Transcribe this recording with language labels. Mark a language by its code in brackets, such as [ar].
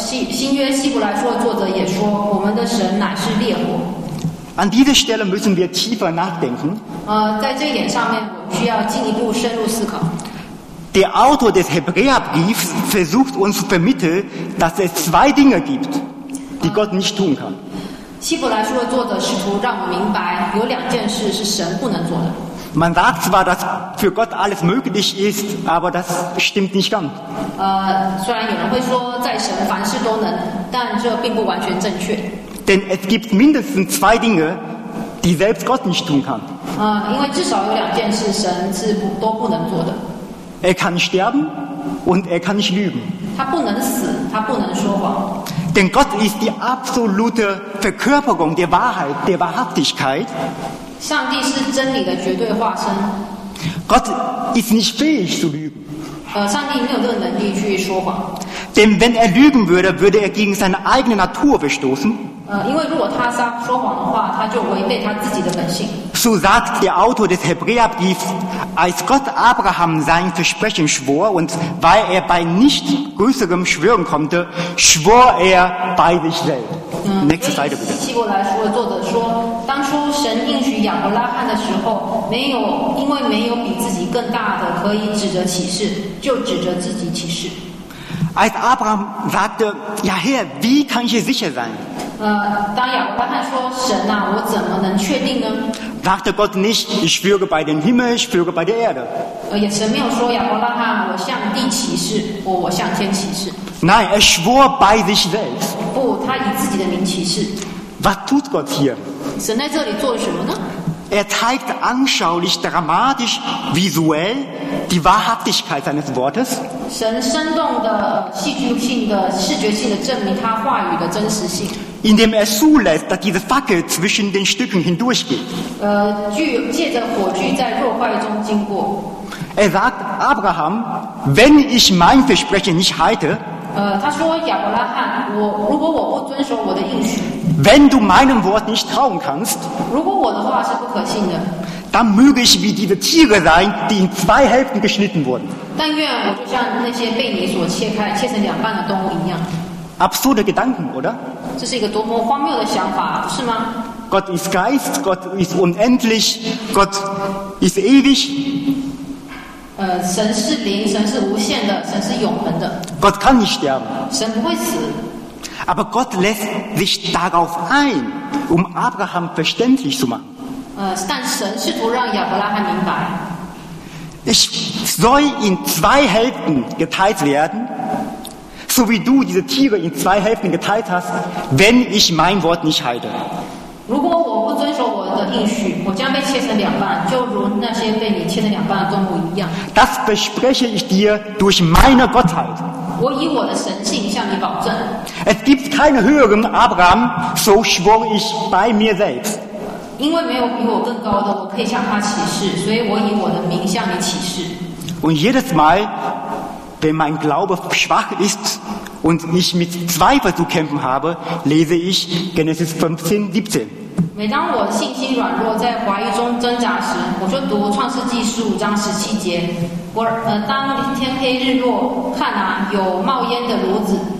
[zh] 新约希伯来书作者也说，我们的神乃是烈火。 [de] An dieser Stelle müssen wir tiefer nachdenken. [zh] 在这一点上面，我需要进一步深入思考。 [de] Der Autor des Hebräerbriefs versucht uns zu vermitteln, dass es zwei Dinge gibt, die Gott nicht tun kann. [zh] 希伯来书的作者试图让我明白，有两件事是神不能做的。 [de] Man sagt zwar, dass für Gott alles möglich ist, aber das stimmt nicht ganz. [zh] 虽然有人会说，在神凡事都能，但这并不完全正确。 [de] Denn es gibt mindestens zwei Dinge, die selbst Gott nicht tun kann. [zh] 因为至少有两件事神是都不能做的。 [de] Er kann sterben und er kann nicht lügen. [zh] 他不能死，他不能说谎。 [de] Denn Gott ist die absolute Verkörperung der Wahrheit, der Wahrhaftigkeit. [zh] 上帝是真理的绝对化身。 [de] Gott ist nicht fähig zu lügen. [zh] 上帝没有这个能力去说谎。 [de] Denn wenn er lügen würde, würde er gegen seine eigene Natur verstoßen. [zh] 因为如果他说谎的话，他就违背他自己的本性。 [de] So sagt der Autor des Hebräerbriefs, als Gott Abraham sein Versprechen schwor und weil er bei nicht größerem Schwören konnte, schwor er bei sich selbst. Nächste Seite bitte. [zh] 希伯来书的作者说，当初神应许亚伯拉罕的时候，因为没有比自己更大的可以指着起誓，就指着自己起誓。 [de] Als Abraham sagte, ja Herr, wie kann ich hier sicher sein? [zh] 当亚伯拉罕说，神啊，我怎么能确定呢？ [de] Sagte Gott nicht, ich schwöre bei dem Himmel, ich schwöre bei der Erde. [zh] 神没有说，亚伯拉罕，我向地起誓，或我向天起誓。 [de] Nein, er schwor bei sich selbst. [zh] 不，他以自己的名起誓。 [de] Was tut Gott hier? [zh] 神在这里做什么呢？ [de] Er zeigt anschaulich, dramatisch, visuell die Wahrhaftigkeit seines Wortes. [zh] 神生动的、戏剧性的、视觉性的证明他话语的真实性。 [de] Indem er zulässt, dass diese Fackel zwischen den Stücken hindurchgeht. [zh] 借着火炬在肉块中经过。 [de] Er sagt Abraham, wenn ich mein Versprechen nicht halte. [zh] 他说亚伯拉罕，我如果我不遵守我的应许。 [de] Wenn du meinem Wort nicht trauen kannst. [zh] 如果我的话是不可信的。 [de] Dann möge ich wie diese Tiere sein, die in zwei Hälften geschnitten wurden. [zh] 但愿我就像那些被你所切开、切成两半的动物一样。 [de] absurde Gedanken, oder? Das ist [zh] 一个多么荒谬的想法，不是吗？ [de] Gott ist Geist, Gott ist unendlich, Gott ist ewig. [zh] 神是灵，神是无限的，神是永恒的。 [de] Gott kann nicht sterben. [zh] 神不会死。 [de] Aber Gott lässt sich darauf ein, um Abraham verständlich zu machen. [zh] 但神试图让亚伯拉罕明白。 [de] Ich soll in zwei Hälften geteilt werden, so wie du diese Tiere in zwei Hälften geteilt hast, wenn ich mein Wort nicht halte. [zh] 如果我不遵守我的应许，我将被切成两半，就如那些被你切成两半的动物一样。 [de] Das verspreche ich dir durch meine Gottheit. [zh] 我以我的神性向你保证。 [de] Es gibt keinen höheren Abraham, so schwor ich bei mir selbst. [zh] 因为没有比我更高的，我可以向他起誓，所以我以我的名向你起誓。 [de] Und jedes Mal, wenn mein Glaube schwach ist und ich mit Zweifel zu kämpfen habe, lese ich Genesis 15, 17. [zh] 每当我信心软弱，在怀疑中挣扎时，我就读创世纪十五章十七节。我当天黑日落，看啊，有冒烟的炉子。